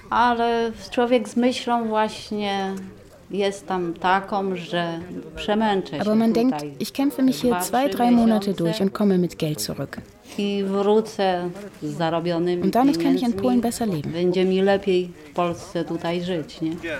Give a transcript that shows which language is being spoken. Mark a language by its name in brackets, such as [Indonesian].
[Polish] Ale człowiek z myślą właśnie jest tam taką, że przemęczy się. [German] Aber man denkt, ich kämpfe mich hier 2-3 Monate durch und komme mit Geld zurück. [Polish] I wrócę z zarobionym. [German] Und damit kann ich in Polen besser leben. [Polish] Będzie mi lepiej w Polsce tutaj żyć, nie?